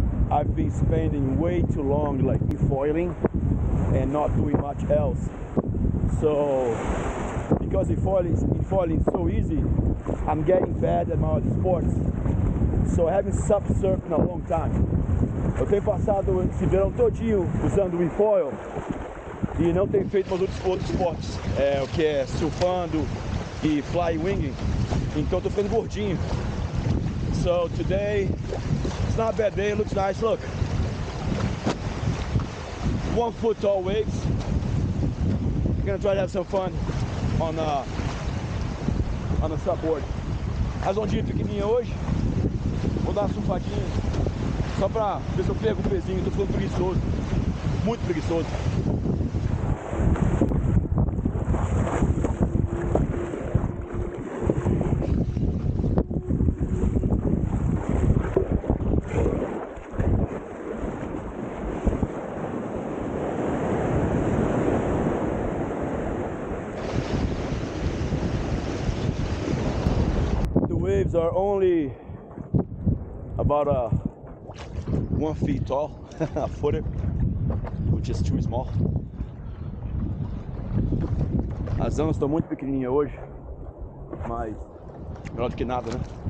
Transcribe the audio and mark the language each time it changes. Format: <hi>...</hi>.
<en>I've been spending way too long like e-foiling and not doing much else. So because e-foiling is so easy, I'm getting bad at my other sports. So I haven't SUP surfed in a long time.</en> <pt>Eu tenho passado esse verão todinho usando o e-foil e não tenho feito mais outros esportes. É o que é surfando e fly winging. Então eu tô ficando gordinho.</pt> <en>So today it's not a bad day, it looks nice, look. 1 foot tall waves. I'm gonna try to have some fun on the surfboard.</en> <pt>As ondinhas pequenininhas hoje, vou dar uma surfadinha. Só pra ver se eu pego um pezinho, tô ficando preguiçoso. Muito preguiçoso.</pt> <en>The waves are only about a 1 foot tall, a footer, which is too small.</en> <pt>As ondas estão muito pequenininhas hoje, mas melhor do que nada, né?</pt>